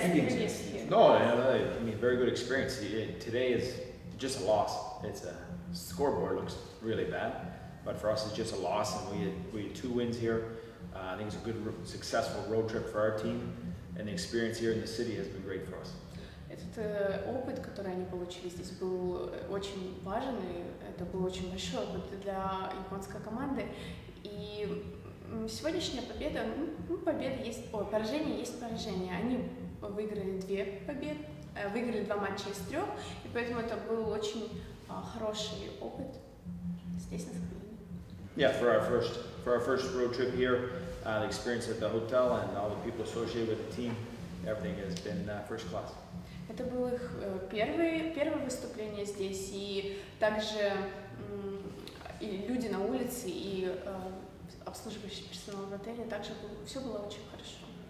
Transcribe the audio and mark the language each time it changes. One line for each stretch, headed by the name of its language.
English: three games here. No, I mean, very good experience. Today is just a loss. It's a scoreboard looks really bad, but for us it's just a loss, and we had two wins here. I think it's a good, successful road trip for our team, and the experience here in the city has been great for us.
Russian: Этот опыт, который они получили здесь, был очень важен, и это был очень большой опыт для японской команды. И сегодняшняя победа, ну, победа есть, о, поражение есть поражение. Они выиграли выиграли два матча из трех, и поэтому это был очень хороший опыт здесь, на Сахалине.
English: Yeah, for our first road trip here, the experience at the hotel and all the people associated with the team, everything has been first class.
Russian: Это было их первое выступление здесь, и также и люди на улице, и обслуживающий персонал в отеле, также все было очень хорошо.